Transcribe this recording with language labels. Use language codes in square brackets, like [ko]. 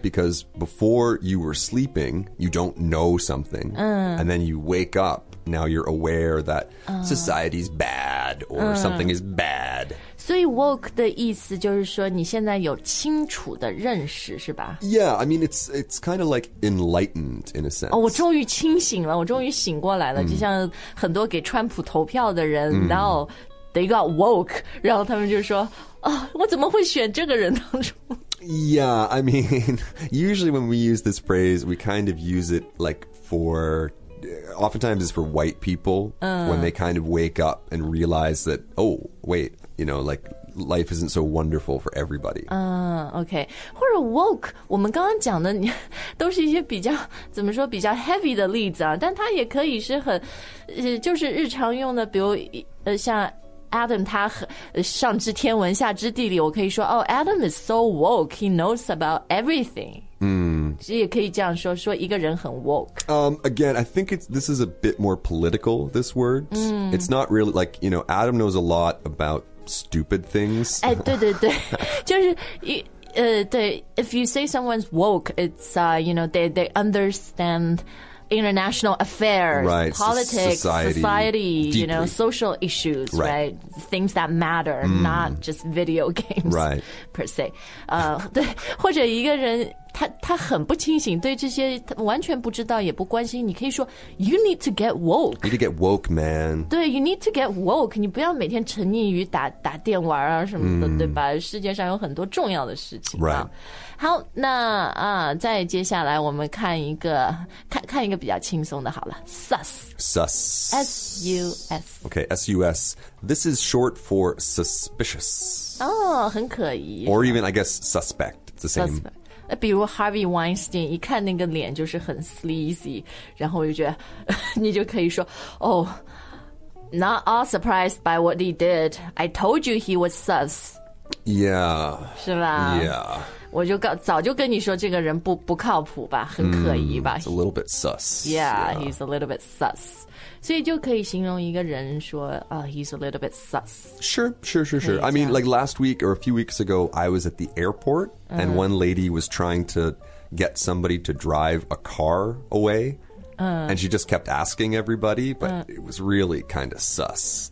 [en] Because before you were sleeping, you don't know something. And then you wake up, now you're aware that society's bad or something is bad. [zh] 所以 woke 的意思就是说你现在有清楚的认识是吧？ [en] Yeah, I mean, it's kind of like enlightened in a sense. [zh] 哦，我终于清醒了，我终于醒过来了。就像很多给川普投票的人，然后 [en] they got woke, [zh] 然后他们就说、oh, 我怎么会选这个人当中 [en] Yeah, I mean, usually when we use this phrase, we kind of use it like for, oftentimes it's for white people, when they kind of wake up and realize that, oh, wait, you know, like life isn't so wonderful for everybody. Okay. [zh] 或者 woke, 我们刚刚讲的都是一些比较怎么说比较 heavy 的例子啊，但它也可以是很就是日常用的，比如像Adam 他上知天文下知地理，我可以说、oh, [en] Adam is so woke, he knows about everything. [zh] 嗯，也可以这样说，说一个人很 woke. [en] Again, I think this is a bit more political, this word. It's not really like, you know, Adam knows a lot about stupid things. [zh] 哎，对对对，就是对 [en] ,if you say someone's woke, it's, you know, they understandinternational affairs, right, politics, society, you know, social issues, right? Things that matter, not just video games, right, per se. [zh] 对，或者一个人他很不清醒，对这些完全不知道也不关心，你可以说 [en] you need to get woke. You need to get woke, man. 对， you need to get woke. [zh] 你不要每天沉溺于打电玩啊什么的，对吧？世界上有很多重要的事情。 [en] Right. [zh] 好，那啊，再接下来我们看一个看一个比较轻松的好了。 [en] Sus. S-U-S. Okay, S-U-S. This is short for suspicious. [zh] 哦，很可疑。 [en] Or even, I guess, suspect. It's the same. Suspect. [zh] 比如 Harvey Weinstein 一看那个脸就是很 sleazy， 然后就觉得你就可以说 [en] Oh, not all surprised by what he did. I told you he was sus. Yeah. [zh] 是吧？ [en] Yeah. [zh] 我就早就跟你说这个人不靠谱吧，很可疑吧。 [en] It's a little bit sus. Yeah, he's a little bit sus. [zh] 所以就可以形容一个人说 [en] he's a little bit sus. Sure. I mean, like last week or a few weeks ago, I was at the airport. And one lady was trying to get somebody to drive a car away. And she just kept asking everybody, but it was really kind of sus.